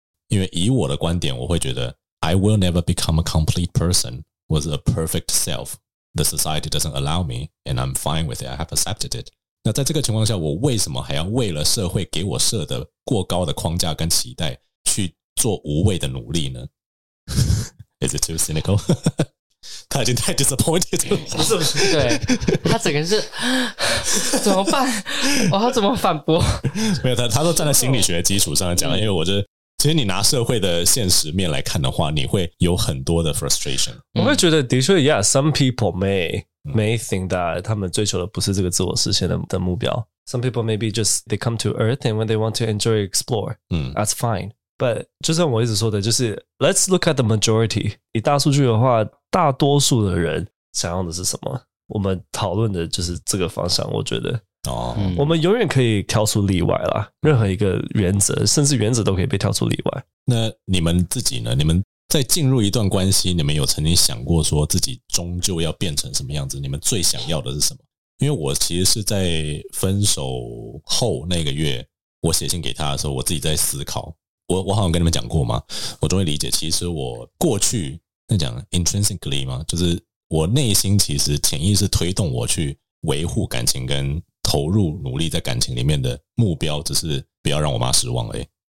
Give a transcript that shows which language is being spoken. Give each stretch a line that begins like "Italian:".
Chinese: 因为以我的观点，我会觉得
English: I will never become a complete person was a perfect selfThe society doesn't allow me, and I'm fine with it. I have accepted it.
Chinese: 那在这个情况下，我为什么还要为了社会给我设的过高的框架跟期待去做无谓的努力呢？
English: Is it too cynical?
Chinese: 他已经太
English: disappointed
Chinese: 了，是不是？对，他整个是怎么办？我要怎么反驳？没有，他都站在心理学基础上讲，因为我觉得其实你拿社会的现实面来看的话，你会有很多的 frustration。我会觉得的确 ,
English: yeah, some people may think that
Chinese: 他们追求的不是这个自我实现 的目标。
English: Some people maybe just, they come to earth and when they want to enjoy, explore, that's fine. But,
Chinese: 就像我一直说的就是
English: let's look at the majority.
Chinese: 以大数据的话，大多数的人想要的是什么，我们讨论的就是这个方向，我觉得。我们永远可以挑出例外啦，任何一个原则甚至原则都可以被挑出例外。那你们自己呢，你们在进入一段关系，你们有曾经想过说自己终究要变成什么样子，你们最想要的是什么？因为我其实是在分手后那个月我写信给他的时候，我自己在思考， 我好像跟你们讲过吗，我终于理解其实我过去那讲 intrinsically 吗，就是我内心其实潜意识推动我去维护感情跟投入努力在感情里面的目标只是不要让我妈失望而已。